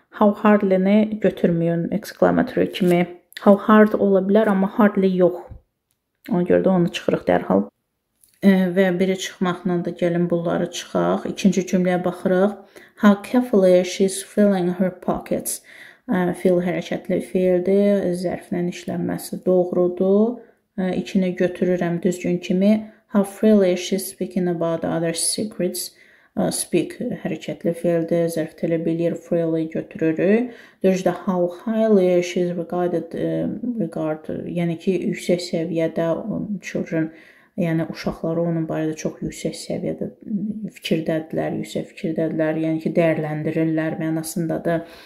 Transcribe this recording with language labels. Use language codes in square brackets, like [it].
[az] How hardly-ni götürmüyün exclamatory kimi. [en] How hard [az] ola bilər, amma hardly yox. Ona görə də onu çıxırıq dərhal. Və biri çıxmaqla da gəlin bunları çıxaq. İkinci cümləyə baxırıq. [en] How carefully she is filling her pockets. [az] Fill hərəkətli fiildir. Zərflə işlənməsi doğrudur. İkini götürürəm düzgün kimi. [en] How freely she is speaking about other secrets. [az] Speak hərəkətli fiildir. Zərf tələ bilir. Freely götürürük. Dördüncü də [en] how highly she is regarded. [az] Yəni ki, yüksək səviyyədə children... Yəni, uşaqları onun barədə çox yüksək səviyyədə fikirdədirlər, yüksək fikirdədirlər, yəni ki, dəyərləndirirlər mənasındadır.